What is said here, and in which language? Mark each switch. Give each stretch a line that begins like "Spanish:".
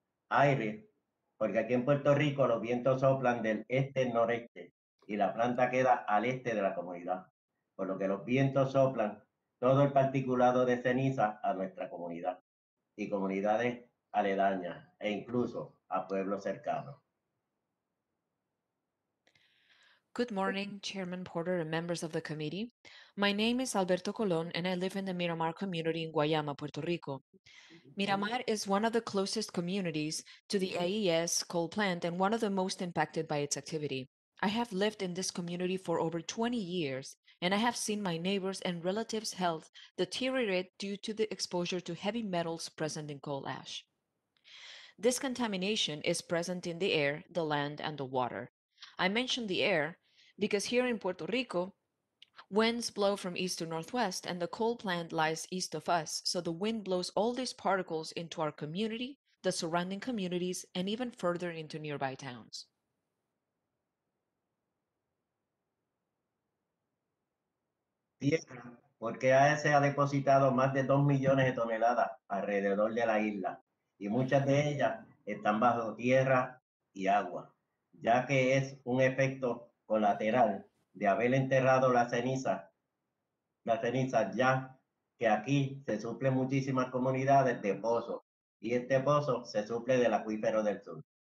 Spanish: Aire, porque aquí en Puerto Rico los vientos soplan del este al noreste y la planta queda al este de la comunidad, por lo que los vientos soplan todo el particulado de ceniza a nuestra comunidad y comunidades aledañas e incluso a pueblos cercanos.
English: Good morning, Chairman Porter and members of the committee. My name is Alberto Colon and I live in the Miramar community in Guayama, Puerto Rico. Miramar is one of the closest communities to the AES coal plant and one of the most impacted by its activity. I have lived in this community for over 20 years and I have seen my neighbors and relatives' health deteriorate due to the exposure to heavy metals present in coal ash. This contamination is present in the air, the land, and the water. I mentioned the air because here in Puerto Rico, winds blow from east to northwest and the coal plant lies east of us. So the wind blows all these particles into our community, the surrounding communities, and even further into nearby towns.
Spanish: Tierra, porque AES ha depositado más de 2 millones de toneladas alrededor de la isla y muchas de ellas están bajo tierra y agua, ya que es un efecto colateral de haber enterrado la ceniza, ya que aquí se suple muchísimas comunidades de pozos y este pozo se suple del acuífero del sur.